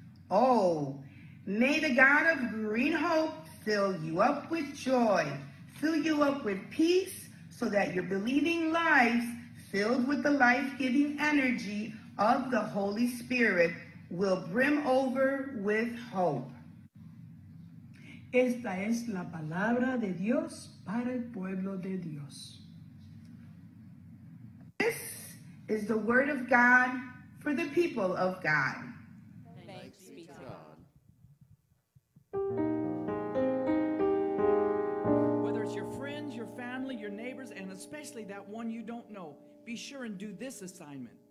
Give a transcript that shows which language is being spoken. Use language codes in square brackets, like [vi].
[en] Oh, may the God of green hope fill you up with joy, fill you up with peace, so that your believing lives, filled with the life-giving energy of the Holy Spirit, will brim over with hope. [es] Esta es la palabra de Dios para el pueblo de Dios. [en] This is the word of God for the people of God. Whether it's your friends, your family, your neighbors, and especially that one you don't know, be sure and do this assignment.